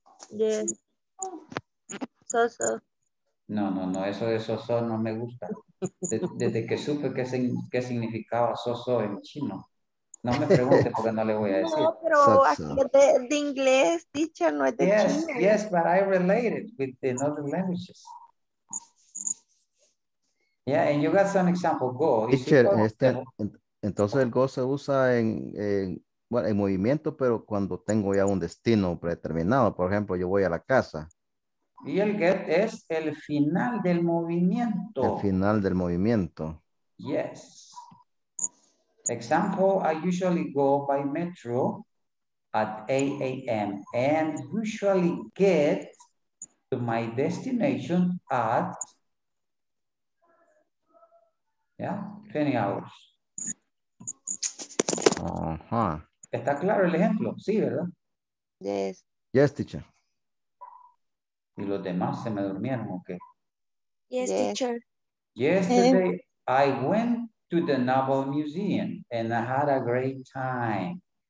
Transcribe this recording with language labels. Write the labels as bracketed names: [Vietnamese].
[English] Yes. So-so. [Spanish] No, eso de so-so no me gusta. Desde que supe qué significaba so-so en chino. No me pregunte porque no le voy a decir. No, pero aquí es de inglés, teacher, no es de chino. [English] Yes, but I relate it with the other languages. Yeah, and you got some example. Go. [Spanish] Teacher, entonces el go se usa en movimiento, pero cuando tengo ya un destino predeterminado. Por ejemplo, yo voy a la casa. Y el get es el final del movimiento. El final del movimiento. [English] Yes. Example, I usually go by metro at 8 a.m. and usually get to my destination at 20 hours. Uh-huh. [Spanish] ¿Está claro el ejemplo? Sí, ¿verdad? [English] Yes. Yes, teacher. [Spanish] ¿Y los demás se me durmieron o qué? [English] Yes, teacher. Yesterday, I went to the Naval Museum and I had a great time.